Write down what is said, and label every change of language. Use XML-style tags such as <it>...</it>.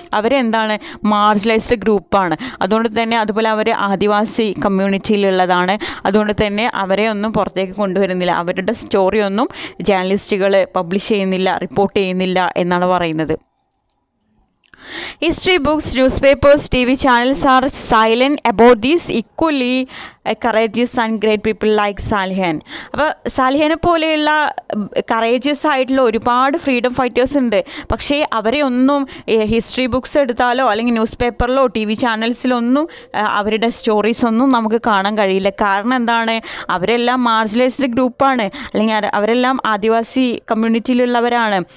<ml>അവരെന്താണ് മാർജിനലൈസ്ഡ് ഗ്രൂപ്പാണ്, അതുകൊണ്ട് തന്നെ അതുപോലെ അവർ ആദിവാസി കമ്മ്യൂണിറ്റിയിലുള്ളതാണ്, അതുകൊണ്ട് തന്നെ അവരെ ഒന്നും പുറത്തേക്ക് കൊണ്ടുവരുന്നില്ല, അവരുടെ സ്റ്റോറി ഒന്നും ജേർണലിസ്റ്റുകൾ പബ്ലിഷ് ചെയ്യുന്നില്ല, റിപ്പോർട്ട് ചെയ്യുന്നില്ല എന്നാണ് പറയുന്നത്.</ml> <en>History books, newspapers, TV channels are silent about these equally courageous and great people like Salihan.</en> <ml>അപ്പോൾ സാലിഹനെ പോലെയുള്ള കറേജിയസ് ആയിട്ടുള്ള ഒരുപാട് ഫ്രീഡം ഫൈറ്റേഴ്സ് ഉണ്ട്. പക്ഷേ അവരെ ഒന്നും ഹിസ്റ്ററി ബുക്സ് എടുത്താലോ അല്ലെങ്കിൽ ന്യൂസ് പേപ്പറിലോ ടി വി ചാനൽസിലൊന്നും അവരുടെ സ്റ്റോറീസ് ഒന്നും നമുക്ക് കാണാൻ കഴിയില്ല. കാരണം എന്താണ്? അവരെല്ലാം മാർജിനലൈസ്ഡ് ഗ്രൂപ്പാണ്, അല്ലെങ്കിൽ അവരെല്ലാം ആദിവാസി കമ്മ്യൂണിറ്റിയിലുള്ളവരാണ്.</ml>